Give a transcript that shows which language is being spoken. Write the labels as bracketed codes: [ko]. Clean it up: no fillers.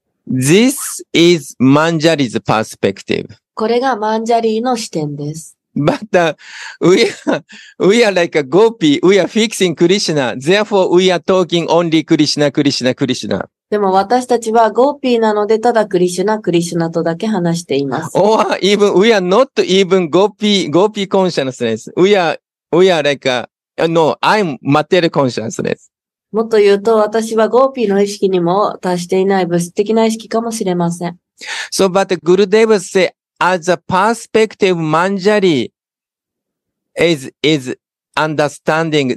[en] This is Manjari's perspective. [ja] これがマンジャリーの視点です。 [en] But, we are like a gopi, we are fixing Krishna, therefore we are talking only Krishna, Krishna, Krishna. [ja] でも私たちはゴーピーなのでただクリシュナ、クリシュナとだけ話しています。 [en] Or even, we are not even gopi consciousness. We are like a, no, I'm material consciousness. [ja] もっと言うと私はゴーピーの意識にも達していない物質的な意識かもしれません。 [en] So, but Gurudev said,As a perspective, Manjari is understanding.